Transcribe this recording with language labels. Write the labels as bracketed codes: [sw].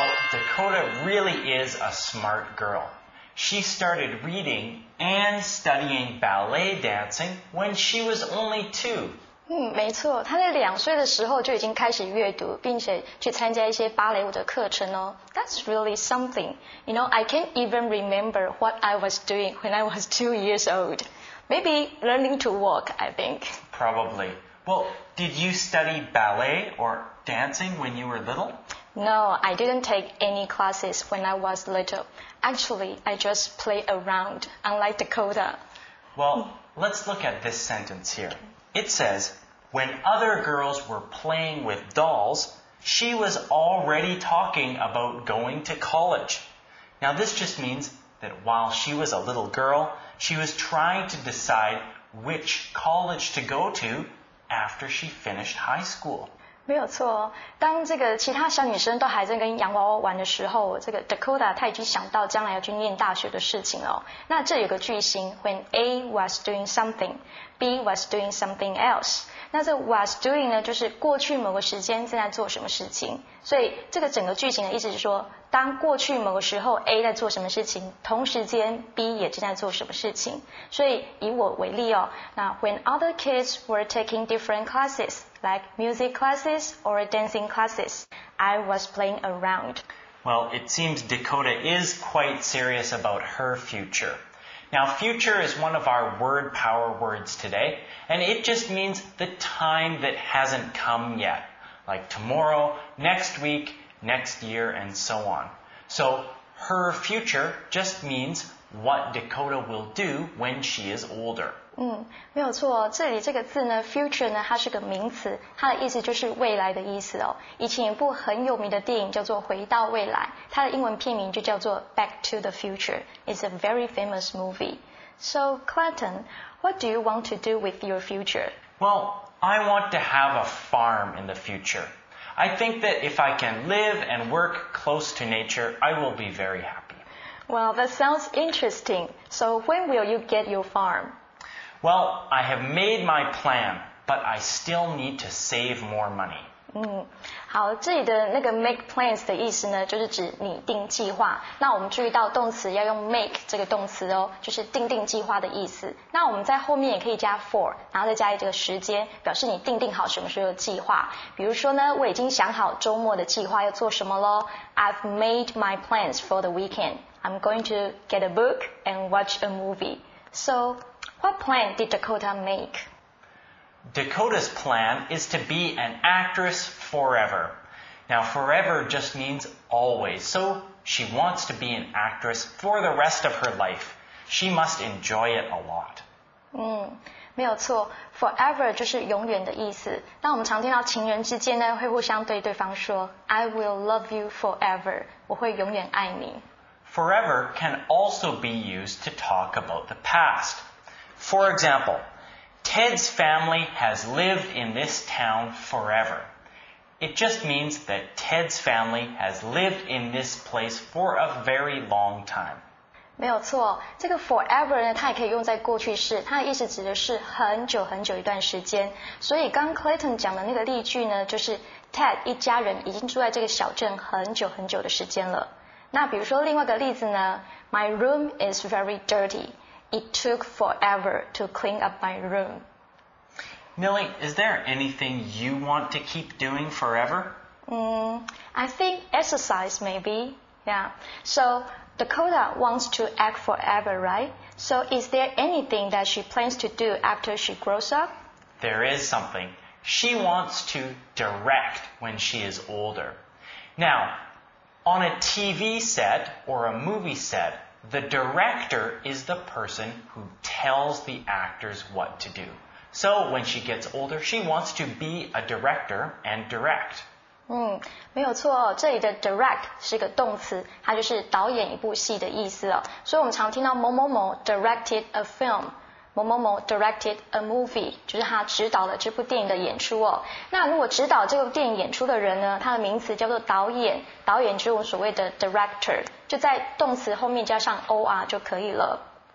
[en] Dakota really is a smart girl. She started reading and studying ballet dancing when she was only two. [zh] 没错，她在两岁的时候就已经开始阅读，并且去参加一些芭蕾舞的课程哦。 [en] That's really something. You know, I can't even remember what I was doing when I was 2 years old. Maybe learning to walk, I think. Probably. Well, did you study ballet or dancing when you were little? No, I didn't take any classes when I was little. Actually, I just played around, unlike Dakota. Well, let's look at this sentence here. It says, when other girls were playing with dolls, she was already talking about going to college. Now, this just means that while she was a little girl, she was trying to decide which college to go to after she finished high school. [zh] 没有错，当这个其他小女生都还在跟洋娃娃玩的时候，这个 Dakota 她已经想到将来要去念大学的事情了。那这有个句型 ， [en] When A was doing something, B was doing something else。 [zh] 那这 was doing 呢，就是过去某个时间正在做什么事情。所以这个整个句型的意思是说，当过去某个时候 A 在做什么事情，同时间 B 也正在做什么事情。所以以我为例哦，那 [en] When other kids were taking different classes。 Like music classes or dancing classes. I was playing around. Well, it seems Dakota is quite serious about her future. Now, future is one of our word power words today, and it just means the time that hasn't come yet, like tomorrow, next week, next year, and so on. So, her future just means what Dakota will do when she is older. [zh] 没有错哦，这里这个字呢 ，future 呢，它是个名词，它的意思就是未来的意思哦。以前一部很有名的电影叫做《回到未来》，它的英文片名就叫做《Back to the Future》， [en] It's a very famous movie. So, Clayton, what do you want to do with your future? Well, I want to have a farm in the future. I think that if I can live and work close to nature, I will be very happy. Well, that sounds interesting. So, when will you get your farm? Well, I have made my plan, but I still need to save more money. [zh] 好，这里的那个 make plans 的意思呢，就是指拟定计划。那我们注意到动词要用 make 这个动词哦，就是定计划的意思。那我们在后面也可以加 for， 然后再加一个时间，表示你定好什么时候的计划。比如说呢，我已经想好周末的计划要做什么咯。 [en] I've made my plans for the weekend. I'm going to get a book and watch a movie. So... What plan did Dakota make? Dakota's plan is to be an actress forever. Now, forever just means always. So, she wants to be an actress for the rest of her life. She must enjoy it a lot. [zh] 没有错 ,forever 就是永远的意思。那我们常听到情人之间呢会互相对对方说 , [en] I will love you forever, [zh] 我会永远爱你。 [en] Forever can also be used to talk about the past. For example, Ted's family has lived in this town forever. It just means that Ted's family has lived in this place for a very long time. [zh] 没有错，这个 forever 呢，它也可以用在过去式，它的意思指的是很久很久一段时间。所以刚 Clayton 讲的那个例句呢，就是 Ted 一家人已经住在这个小镇很久很久的时间了。那比如说另外一个例子呢 ， [en] My room is very dirty. It took forever to clean up my room. Millie, is there anything you want to keep doing forever? I think exercise maybe. Yeah. So. Dakota wants to act forever, right? So is there anything that she plans to do after she grows up? There is something. She wants to direct when she is older. Now, on a TV set or a movie set, the director is the person who tells the actors what to do. So when she gets older, she wants to be a director and direct. [zh] 没有错哦，这里的 direct 是一个动词，它就是导演一部戏的意思哦。所以我们常听到某某某 [en] directed a film， [zh] 某某某 [en] directed a movie， [zh] 就是他指导了这部电影的演出哦。那如果指导这部电影演出的人呢，他的名词叫做导演，导演就是我们所谓的 director， 就在动词后面加上 or 就可以了。